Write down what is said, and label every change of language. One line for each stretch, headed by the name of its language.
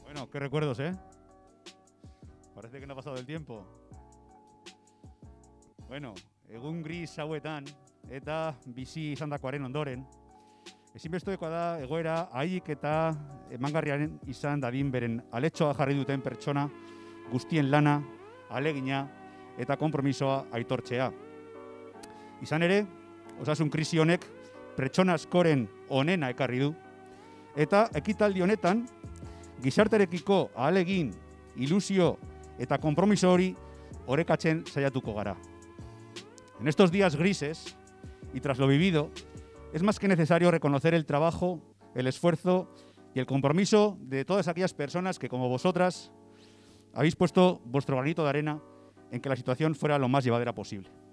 Spanish: Recuerdos, ¿eh? Parece que no ha pasado el tiempo.
Basque: Bueno, egun gris hauetan, eta bizi izandakoaren ondoren, ezinbestekoa da egoera haiek eta emangarriaren izan dadin beren aletxoa jarri duten pertsona, guztien lana, alegina eta konpromisoa aitortzea. Izan ere, osasun krisi honek pertsona askoren onena ekarri du, eta ekitaldi honetan, gizartearekiko ahalegin, ilusio eta konpromiso hori orekatzen saiatuko gara.
Spanish: En estos días grises y tras lo vivido, es más que necesario reconocer el trabajo, el esfuerzo y el compromiso de todas aquellas personas que, como vosotras, habéis puesto vuestro granito de arena en que la situación fuera lo más llevadera posible.